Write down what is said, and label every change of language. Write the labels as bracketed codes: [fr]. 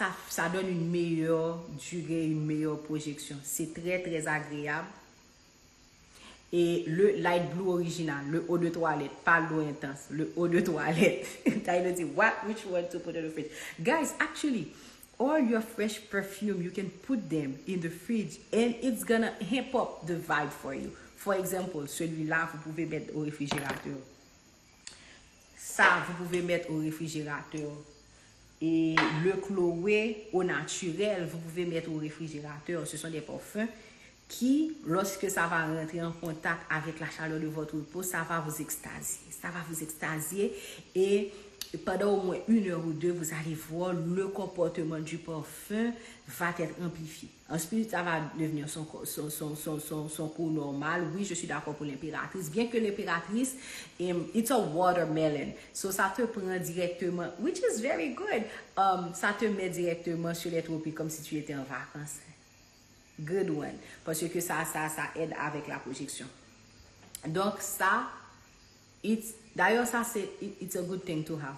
[fr] Ça donne une meilleure durée, une meilleure projection. C'est très, très agréable. Et le Light Blue original, le eau de toilette, pas l'eau intense, le eau de toilette. [en] Tyler dit, what, which one to put in the fridge? Guys, actually, all your fresh perfume, you can put them in the fridge and it's gonna hip up the vibe for you. For example, [fr] celui-là, vous pouvez mettre au réfrigérateur. Ça, vous pouvez mettre au réfrigérateur. Et le chloé au naturel, vous pouvez mettre au réfrigérateur. Ce sont des parfums qui, lorsque ça va rentrer en contact avec la chaleur de votre peau, ça va vous extasier. Ça va vous extasier. Et pendant au moins une heure ou deux, vous allez voir le comportement du parfum va être amplifié. Ensuite, ça va devenir son cours normal. Oui, je suis d'accord pour l'impératrice. Bien que l'impératrice, [en] it's a watermelon. [fr] So, ça te prend directement, [en] which is very good. [fr] Ça te met directement sur les tropiques comme si tu étais en vacances. [en] Good one. [fr] Parce que ça aide avec la projection. Donc, ça, [en] it's a good thing to have.